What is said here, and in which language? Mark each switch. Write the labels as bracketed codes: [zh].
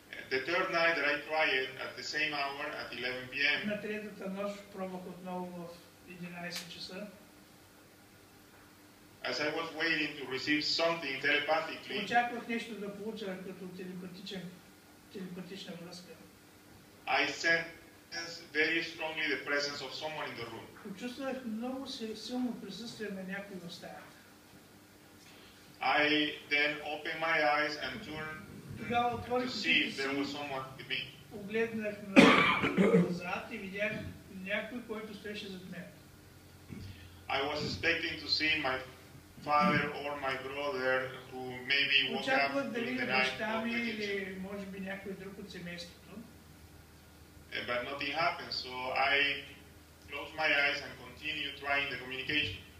[en] the third night that I tried at the same hour at 11 p.m. [bg] На третата нощ пробвах отново в 11 часа. [en] As I was waiting to receive something telepathically. [bg] Очаквах нещо да получа като телепатична връзка. [en] I sensed very strongly the presence of someone in the room. [bg] Почувствах много силно присъствие на някой в стаята. [en] I then opened my eyes and turned to see if there was someone with me. [bg] Погледнах назад и видях някой, който стоеше зад мен. [en] I was expecting to see my father or my brother who maybe woke up in the night. But nothing happened, so I closed my eyes and continued trying the communication.